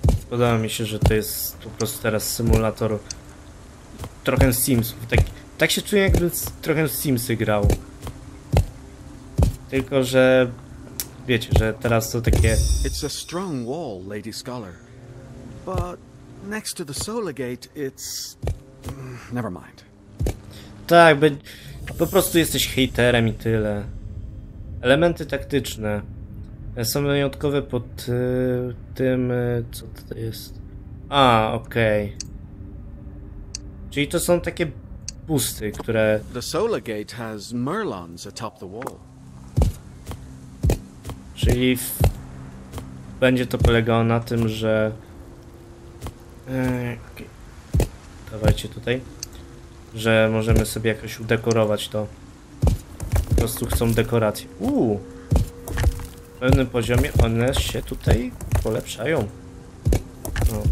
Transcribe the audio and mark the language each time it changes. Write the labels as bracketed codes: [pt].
[pl] Podoba mi się, że to jest po prostu teraz symulator trochę Simsów. Tak się czuję, jakby trochę Simsy grał. Tylko, że wiecie, że teraz to takie... [en] It's a strong wall, Lady Scholar. But next to the Solar Gate, it's... Never mind. [pl] Tak, po prostu jesteś hejterem i tyle. Elementy taktyczne. Są wyjątkowe pod tym, co to jest. A, okej. Okay. Czyli to są takie pusty, które... [en] The Solar Gate has Merlons atop the wall. [pl] Czyli będzie to polegało na tym, że... Okay. Dawajcie tutaj. Że możemy sobie jakoś udekorować to. Po prostu chcą dekoracji. W pewnym poziomie one się tutaj polepszają. Okej.